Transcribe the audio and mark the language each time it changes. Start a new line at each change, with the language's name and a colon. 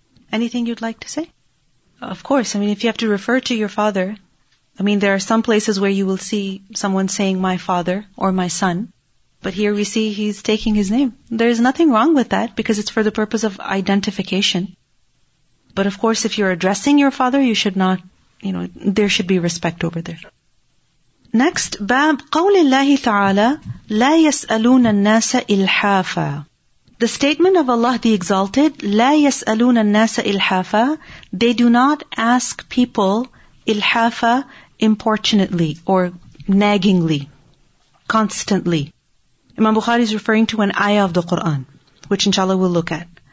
English: Anything you'd like to say? Of course, I mean, if you have to refer to your father, I mean, there are some places where you will see someone saying, my father or my son. But here we see he's taking his name. There's nothing wrong with that because it's for the purpose of identification. But of course, if you're addressing your father, you should not, you know, there should be respect over there.
Arabic: Next, باب قول الله تعالى لا يسألون الناس إلحافا.
English: The statement of Allah the Exalted,
Arabic: لا يسألون الناس إلحافا,
English: they do not ask people إلحافا importunately or naggingly, constantly. Imam Bukhari is referring to an ayah of the Qur'an, which inshallah we'll look at.